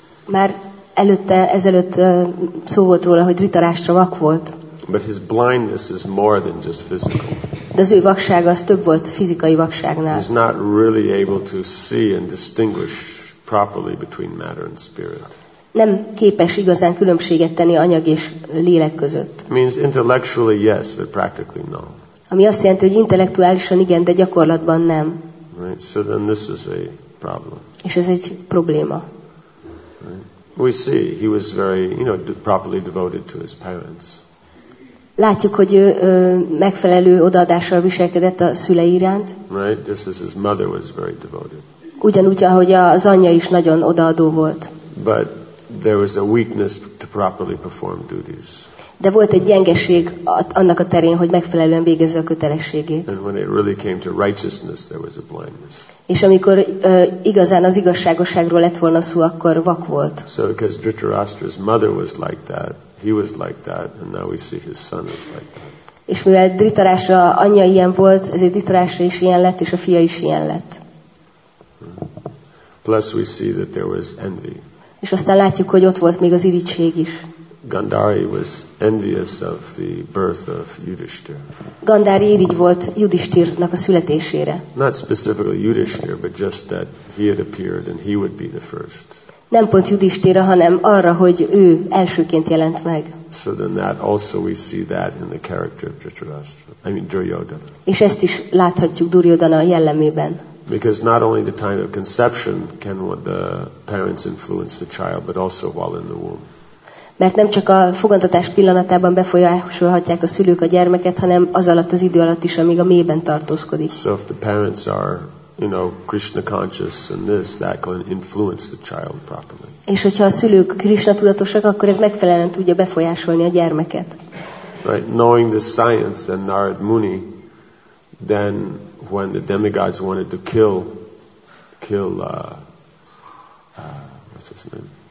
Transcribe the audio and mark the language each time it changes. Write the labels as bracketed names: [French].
[Hungarian] Már ezelőtt szó volt róla, hogy Dhritarashtra vak volt. [English] But his blindness is more than just physical. [Hungarian] De az ő vaksága az több volt fizikai vakságnál. [English] He's not really able to see and distinguish properly between matter and spirit. [Hungarian] Nem képes igazán különbséget tenni anyag és lélek között. [English] Means intellectually yes, but practically no. [Hungarian] Ami azt jelenti, hogy intellektuálisan igen, de gyakorlatban nem. [English] Right. So then this is a problem. [Hungarian] És ez egy probléma. [English] Right. We see he was very, you know, properly devoted to his parents. [Hungarian] Látjuk, hogy ő megfelelő odaadással viselkedett a szülei iránt. [English] Right, just as his mother was very devoted. [Hungarian] Ugyanúgy, ahogy az anyja is nagyon odaadó volt. [English] But there was a weakness to properly perform duties. [Hungarian] De volt egy gyengeség annak a terén, hogy megfelelően végezze a kötelességét. [English] And when it really came to righteousness, there was a blindness. [Hungarian] És amikor igazán az igazságosságról lett volna szó, akkor vak volt. [English] So because Dhritarashtra's mother was like that, he was like that, and now we see his son is like that. [Hungarian] És mivel Dhritarashtra anyja ilyen volt, ezért Dhritarashtra is ilyen lett, és a fia is ilyen lett. [English] Plus we see that there was envy. [Hungarian] És aztán látjuk, hogy ott volt még az irigység is. [English] Gandhari was envious of the birth of Yudhishthir. [Hungarian] Gandhari irigy volt Yudhishthirnak a születésére. [English] Not specifically Yudhishthir, but just that he had appeared and he would be the first. [Hungarian] Nem pont Yudhishthirra, hanem arra, hogy ő elsőként jelent meg. [English] So then that also we see that in the character of Dhritarashtra. I mean Duryodhana. [Hungarian] És ezt is láthatjuk Duryodhana jellemében. [English] Because not only the time of conception can the parents influence the child, but also while in the womb. [Hungarian] Mert nem csak a fogantatás pillanatában befolyásolhatják a szülők a gyermeket, hanem az alatt az idő alatt is, amíg a méhben tartózkodik. [English] So if the parents are, you know, Krishna conscious and this, that can influence the child properly. [Hungarian] És hogyha a szülők Krishna tudatosak, akkor ez megfelelően tudja befolyásolni a gyermeket. [English] Right, knowing the science, then Narad Muni, then when the demigods wanted to kill what's his name?